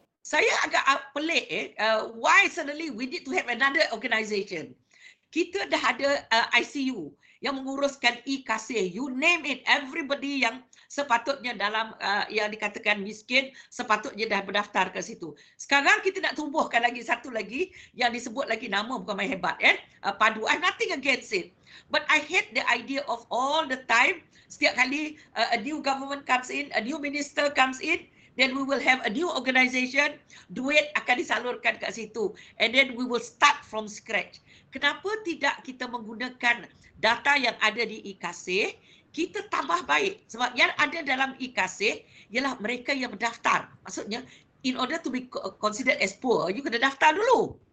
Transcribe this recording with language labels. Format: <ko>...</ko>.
<ms>Saya agak pelik</ms> <en>why suddenly we need to have another organisation.</en> <ms>Kita dah ada ICU yang menguruskan IKASIH,</ms> <en>you name it,</en> <ms>everybody yang sepatutnya dalam yang dikatakan miskin sepatutnya dah berdaftar ke situ. Sekarang kita nak tumbuhkan lagi satu lagi yang disebut lagi nama bukan main hebat, padu.</ms> <en>I'm nothing against it, but I hate the idea of all the time</en> <ms>setiap kali</ms> <en>a new government comes in, a new minister comes in, then we will have a new organisation,</en> <ms>duit akan disalurkan ke situ</ms> <en>and then we will start from scratch.</en> <ms>Kenapa tidak kita menggunakan data yang ada di IKASIH, kita tambah baik? Sebab yang ada dalam IKASIH ialah mereka yang berdaftar.</ms> <en>Maksudnya, in order to be considered as poor, you</en> <ms>kena daftar dulu.</ms>